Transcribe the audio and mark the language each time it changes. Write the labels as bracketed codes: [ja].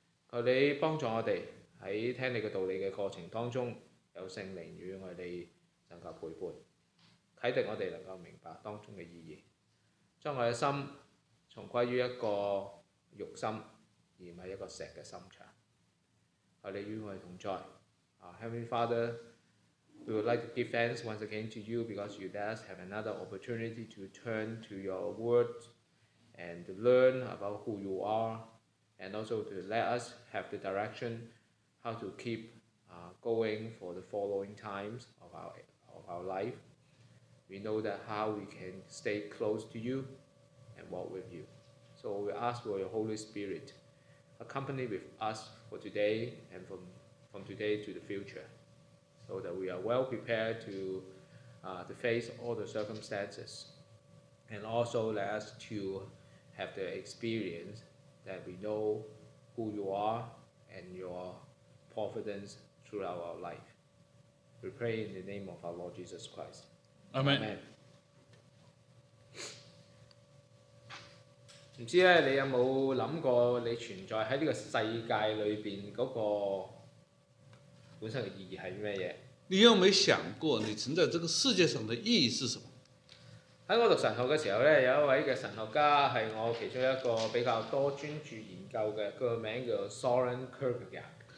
[zh] 求你帮助我们在听你的道理的过程当中，有圣灵与我们能够陪伴，启迪我们能够明白当中的意义，将我们的心重归于一个肉心，而不是一个石的心肠。求你与我们同在。 [en] Heavenly Father, we would like to give thanks once again to you because you let us have another opportunity to turn to your word and to learn about who you are, and also to let us have the directionHow to keep going for the following times of our life. We know that how we can stay close to you and walk with you. So we ask for your Holy Spirit accompany with us for today and from today to the future, so that we are well prepared to face all the circumstances, and also let us to have the experience that we know who you are and yourconfidence throughout our life. We pray in the name of our Lord Jesus Christ. Amen. Amen. [zh] 不知道你有没有想过你存在在这个世界里面那个本身的意义是什么？你有没有想过你存在这个世界上的意义是什么？在我读神学的时候，有一位神学家是我其中一个比较多专注研究的，他的名字叫 Søren Kierkegaard。